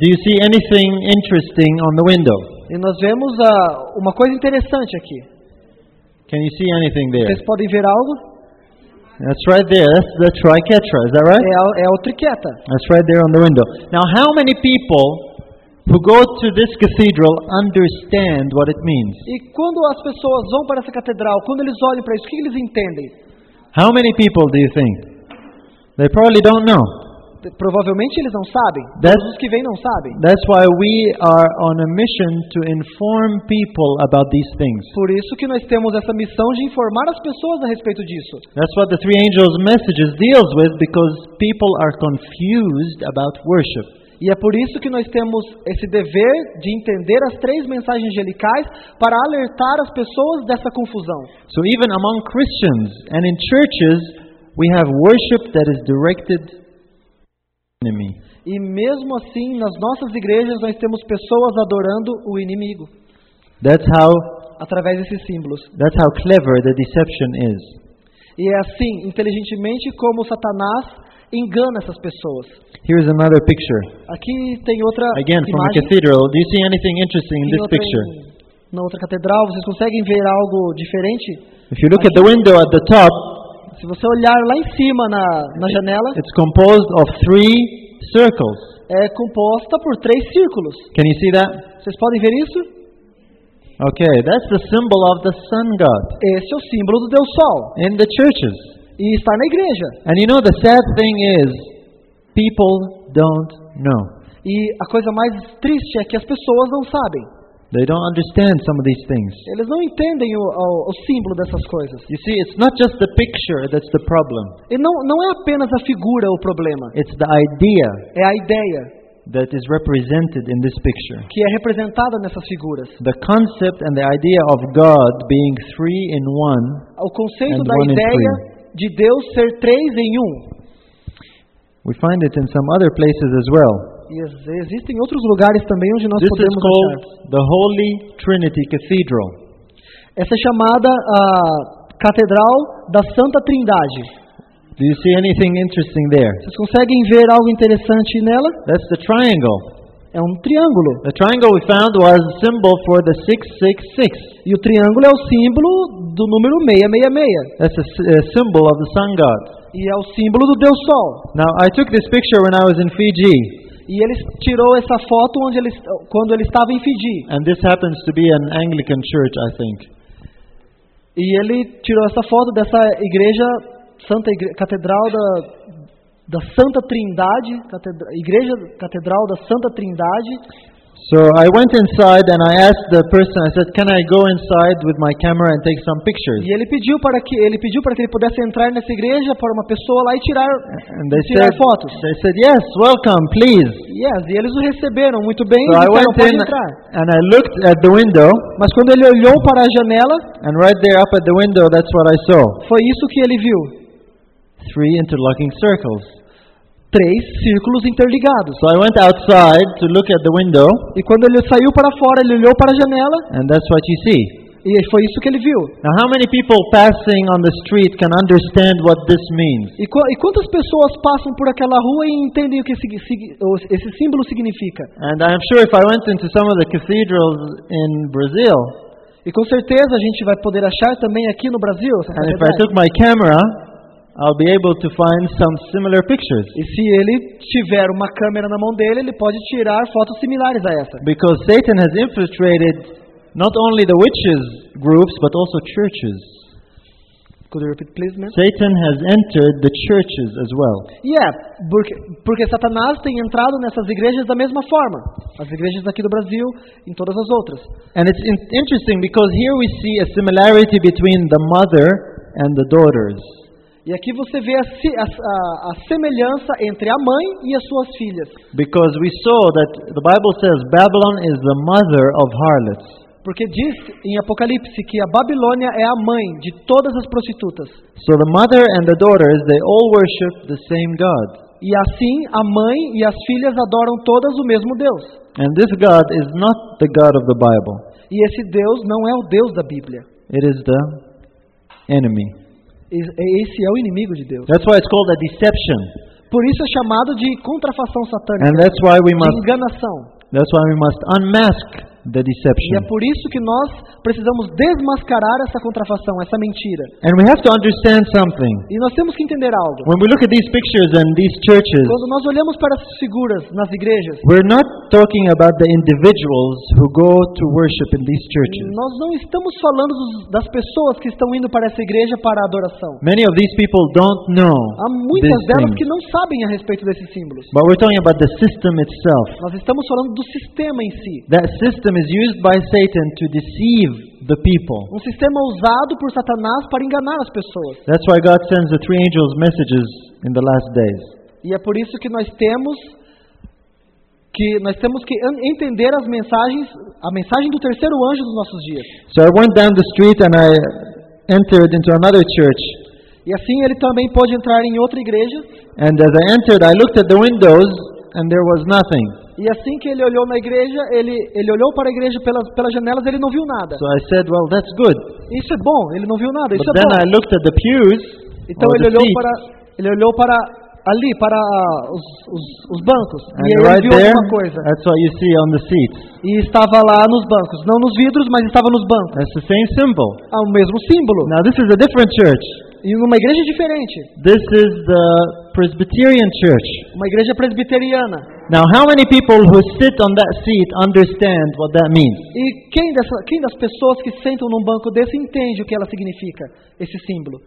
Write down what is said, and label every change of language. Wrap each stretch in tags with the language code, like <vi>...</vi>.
<en>Do you see anything interesting on the window?</en> <pt>E nós vemos uma coisa interessante aqui.</pt> <en>Can you see anything there?</en> <pt>Vocês podem ver algo?</pt> <en>That's right there. That's the triquetra, is that right?</en> <pt>É o triqueta.</pt> <en>That's right there on the window. Now, how many people who go to this cathedral understand what it means?</en> <pt>E quando as pessoas vão para essa catedral, quando eles olham para isso, o que eles entendem?</pt> <en>How many people do you think? They probably don't know.</en> <pt>Provavelmente eles não sabem. Todos os que vêm não sabem.</pt> <en>That's why we are on a mission to inform people about these things.</en> <pt>Por isso que nós temos essa missão de informar as pessoas a respeito disso.</pt> <en>That's what the three angels' messages deals with, because people are confused about worship.</en> <pt>E é por isso que nós temos esse dever de entender as três mensagens angelicais para alertar as pessoas dessa confusão.</pt> <en>So even among Christians and in churches, we have worship that is directed to the enemy.</en> <pt>E mesmo assim, nas nossas igrejas nós temos pessoas adorando o inimigo.</pt> <en>That's how,</en> <pt>através desses símbolos.</pt> <en>That's how clever the deception is.</en> <pt>E é assim, inteligentemente, como Satanás engana essas pessoas.</pt> <en>Here is another picture.</en> <pt>Aqui tem outra imagem.</pt> <en>Again, from a cathedral. Do you see anything interesting in this picture?</en> <pt>Na outra catedral, vocês conseguem ver algo diferente?</pt> <en>If you look at the window at the top,</en> <pt>se você olhar lá em cima na janela,</pt> <en>it's composed of three circles.</en> <pt>É composta por três círculos.</pt> <en>Can you see that?</en> <pt>Vocês podem ver isso?</pt> <en>Okay, that's the symbol of the sun god.</en> <pt>Esse é o símbolo do Deus Sol.</pt> <en>In the churches.</en> <pt>E está na igreja.</pt> <en>And you know the sad thing is, people don't know.</en> <pt>E a coisa mais triste é que as pessoas não sabem.</pt> <en>They don't understand some of these things.</en> <pt>Eles não entendem o símbolo dessas coisas.</pt> <en>You see, it's not just the picture that's the problem.</en> <pt>E não é apenas a figura o problema.</pt> <en>It's the idea.</en> <pt>É a ideia.</pt> <en>That is represented in this picture.</en> <pt>Que é representada nessas figuras.</pt> <en>The concept and the idea of God being three in one.</en> <pt>O conceito da ideia de Deus ser três em um.</pt> <en>We find it in some other places as well.</en> <pt>Existem outros lugares também onde nós podemos achar.</pt> <en>This is called the Holy Trinity Cathedral.</en> <pt>Essa é chamada a Catedral da Santa Trindade.</pt> <en>Do you see anything interesting there?</en> <pt>Vocês conseguem ver algo interessante nela?</pt> <en>That's the triangle.</en> <pt>É um triângulo.</pt> <en>The triangle we found was a symbol for the 666.</en> <pt>E o triângulo é o símbolo do número 666.</pt> <en>That's a symbol of the sun god.</en> <pt>E é o símbolo do Deus Sol.</pt> <en>Now, I took this picture when I was in Fiji.</en> <pt>E ele tirou essa foto quando ele estava em Fiji.</pt> <en>And this happens to be an Anglican church, I think.</en> <pt>E ele tirou essa foto dessa igreja, Catedral da Santa Trindade, Catedral da Santa Trindade.</pt> <en>So I went inside and I asked the person, I said, can I go inside with my camera and take some pictures?</en> <pt>E ele pediu para que ele pudesse entrar nessa igreja para uma pessoa lá e tirar fotos.</pt> <en>They said, yes, welcome, please. Yes,</en> <pt>e eles o receberam muito bem.</pt> <en>So</en> <pt>e disseram, pode entrar.</pt> <en>And I looked at the window.</en> <pt>Mas quando ele olhou para a janela,</pt> <en>and right there up at the window, that's what I saw.</en> <pt>Foi isso que ele viu.</pt> <en>Three interlocking circles.</en> <pt>Três círculos interligados.</pt> <en>So I went outside to look at the window.</en> <pt>E quando ele saiu para fora, ele olhou para a janela.</pt> <en>And that's what you see.</en> <pt>E foi isso que ele viu.</pt> <en>Now how many people passing on the street can understand what this means?</en> <pt>E quantas pessoas passam por aquela rua e entendem o que esse símbolo significa?</pt> <en>And I'm sure if I went into some of the cathedrals in Brazil.</en> <pt>E com certeza a gente vai poder achar também aqui no Brasil.</pt> <en>And if I took my camera, I'll be able to find some similar pictures.</en> <pt>E se ele tiver uma câmera na mão dele, ele pode tirar fotos similares a essa.</pt> <en>Because Satan has infiltrated not only the witches groups but also churches. Could you repeat, please, man? Satan has entered the churches as well.</en> <pt>Yeah, porque Satanás tem entrado nessas igrejas da mesma forma, as igrejas aqui do Brasil, em todas as outras.</pt> <en>And it's interesting because here we see a similarity between the mother and the daughters.</en> <pt>E aqui você vê a semelhança entre a mãe e as suas filhas.</pt> <en>Because we saw that the Bible says Babylon is the mother of harlots.</en> <pt>Porque diz em Apocalipse que a Babilônia é a mãe de todas as prostitutas.</pt> <en>So the mother and the daughters, they all worship the same God.</en> <pt>E assim a mãe e as filhas adoram todas o mesmo Deus.</pt> <en>And this God is not the God of the Bible.</en> <pt>E esse Deus não é o Deus da Bíblia.</pt> <en>It is the enemy.</en> <pt>Esse é o inimigo de Deus.</pt> <en>That's why it's called a deception.</en> <pt>Por isso é chamado de contrafação satânica.</pt> <en>And that's why we must,</en> <pt>de enganação.</pt> <en>That's why we must unmask the deception.</en> <pt>E é por isso que nós precisamos desmascarar essa contrafação, essa mentira.</pt> <en>And we have to understand something.</en> <pt>E nós temos que entender algo.</pt> <en>When we look at these pictures and these churches,</en> <pt>quando nós olhamos para essas figuras nas igrejas,</pt> <en>we're not talking about the individuals who go to worship in these churches.</en> <pt>Nós não estamos falando das pessoas que estão indo para essa igreja para a adoração.</pt> <en>Many of these people don't know.</en> <pt>Há muitas delas que não sabem a respeito desses símbolos.</pt> <en>But we're talking about the system itself.</en> <pt>Nós estamos falando do sistema em si.</pt> <en>Is used by Satan to deceive the people.</en> <pt>Um sistema usado por Satanás para enganar as pessoas.</pt> <en>That's why God sends the three angels messages in the last days.</en> <pt>E é por isso que nós temos que entender as mensagens, a mensagem do terceiro anjo dos nossos dias.</pt> <en>So I went down the street and I entered into another church.</en> <pt>E assim ele também pôde entrar em outra igreja.</pt> <en>And as I entered, I looked at the windows and there was nothing.</en> <pt>E assim que ele olhou na igreja, ele olhou para a igreja pelas janelas, ele não viu nada.</pt> <en>So I said, well, that's good.</en> <pt>Isso é bom, ele não viu nada,</pt> <en>but</en> <pt>isso é</pt> <en>then</en> <pt>bom.</pt> <en>I looked at the pews,</en> <pt>então ele olhou para ali, para os bancos,</pt> <en>and</en> <pt>e ele</pt> <en>right</en> <pt>viu</pt> <en>there,</en> <pt>alguma coisa.</pt> <en>That's what you see on the seats.</en> <pt>E estava lá nos bancos, não nos vidros, mas estava nos bancos.</pt> <en>That's the same symbol.</en> <pt>É o mesmo símbolo.</pt> <en>Now this is a different church.</en> <pt>E uma igreja diferente.</pt> <en>This is the Presbyterian church.</en> <pt>Uma igreja presbiteriana.</pt> <en>Now, how many people who sit on that seat understand what that means?</en> <pt>E quem das pessoas que sentam num banco desse entende o que ela significa, esse símbolo?</pt>